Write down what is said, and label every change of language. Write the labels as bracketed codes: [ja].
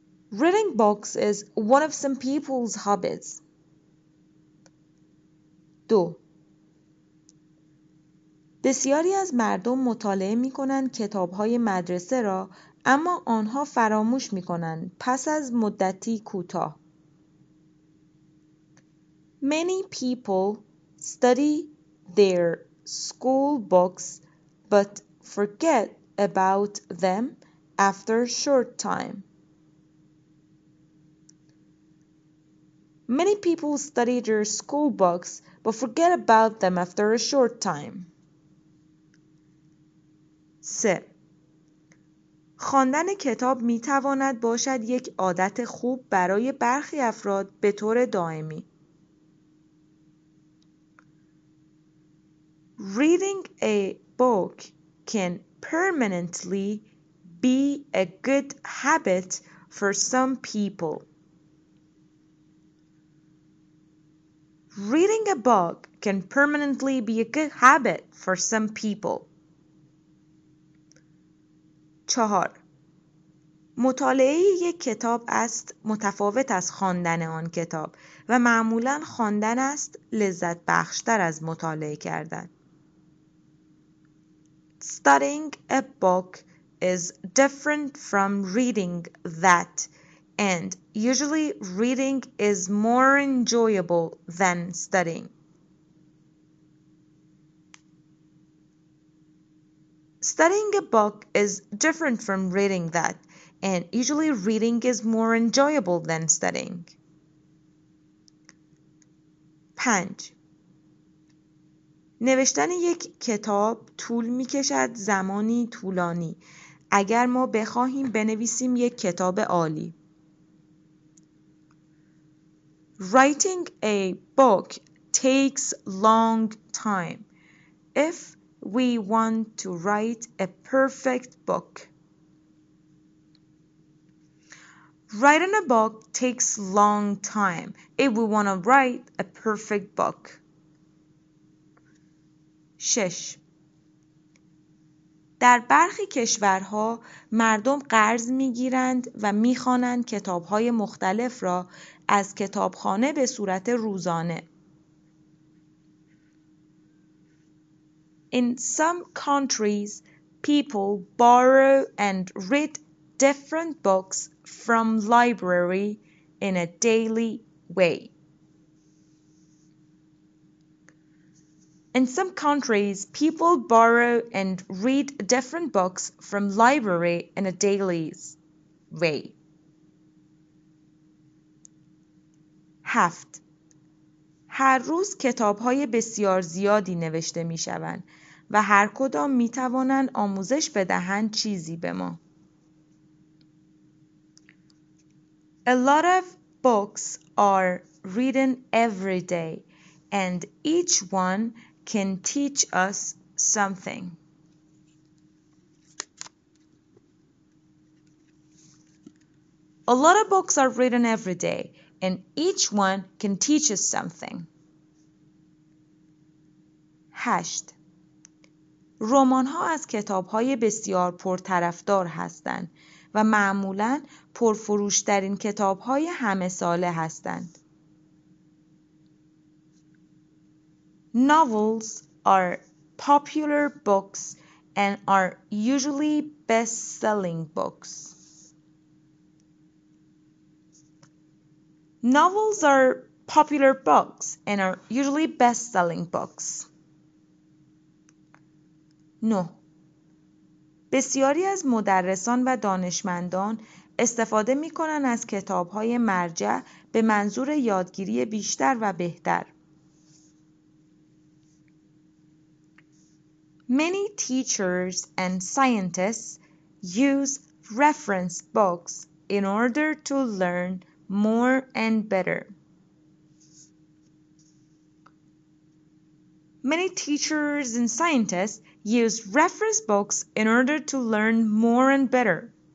[en] Reading books is one of some people's hobbies. 2. [fa] بسیاری از مردم مطالعه می کنند کتاب‌های مدرسه را، اما آنها فراموش می کنند پس از مدتی کوتاه. [en] Many people study their school books but forget about them after a short time. Many people study their school books but forget about them after a short time. 3. [fa] خواندن کتاب می تواند باشد یک عادت خوب برای برخی افراد به طور دائمی. [en] Reading a book can permanently be a good habit for some people. Reading a book can permanently be a good habit for some people. 4. [fa] مطالعه یک کتاب است متفاوت از خواندن آن کتاب و معمولاً خواندن است لذت بخشتر از مطالعه کردن. [en] Studying a book is different from reading that, and usually reading is more enjoyable than studying. Studying a book is different from reading that, and usually reading is more enjoyable than studying. 5. [fa] نوشتن یک کتاب طول می کشد زمانی طولانی اگر ما بخواهیم بنویسیم یک کتاب عالی. [en] Writing a book takes long time if we want to write a perfect book. Writing a book takes long time if we want to write a perfect book. 6. [fa] در برخی کشورها مردم قرض می‌گیرند و می‌خوانند کتاب‌های مختلف را از کتابخانه به صورت روزانه. [en] In some countries, people borrow and read different books from library in a daily way. In some countries, people borrow and read different books from library in a daily way. 7. [fa] هر روز کتاب‌های بسیار زیادی نوشته می‌شوند و هر کدام می‌توانند آموزش بدهند چیزی به ما. [en] A lot of books are written every day and each one can teach us something. A lot of books are written every day, and each one can teach us something. 8. [fa] رمان‌ها از کتاب‌های بسیار پرطرفدار هستند و معمولاً پرفروش‌ترین کتاب‌های همه ساله هستند. [en] Novels are popular books and are usually best-selling books. Novels are popular books and are usually best-selling books. 9. [fa] بسیاری از مدرسان و دانشمندان استفاده می‌کنند از کتاب‌های مرجع به منظور یادگیری بیشتر و بهتر. [en] Many teachers and scientists use reference books in order to learn more and better. many teachers and scientists use reference books in order to learn more and better.